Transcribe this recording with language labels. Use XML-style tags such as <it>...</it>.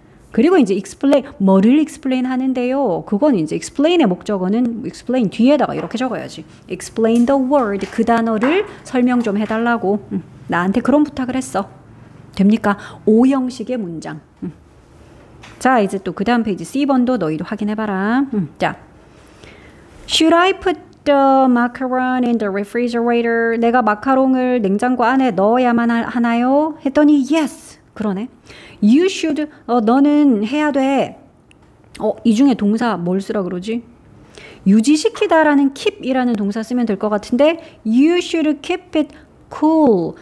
<ko>그리고 이제 explain, 뭐를 explain 하는데요. 그건 이제 explain의 목적어는 explain 뒤에다가 이렇게 적어야지.</ko> <en>explain the word,</en> <ko>그 단어를 설명 좀 해달라고. 나한테 그런 부탁을 했어. 됩니까? 5형식의 문장. 자, 이제 또 그 다음 페이지 C번도 너희도 확인해봐라.</ko> <en>자, Should I put the macaron in the refrigerator?</en> <ko>내가 마카롱을 냉장고 안에 넣어야만 하나요? 했더니 yes. 그러네.</ko> <en>You should,</en> <ko>어, 너는 해야 돼. 어, 이 중에 동사 뭘 쓰라 그러지? 유지시키다라는 keep이라는 동사 쓰면 될 것 같은데</ko> <en>You should keep it cool.</en>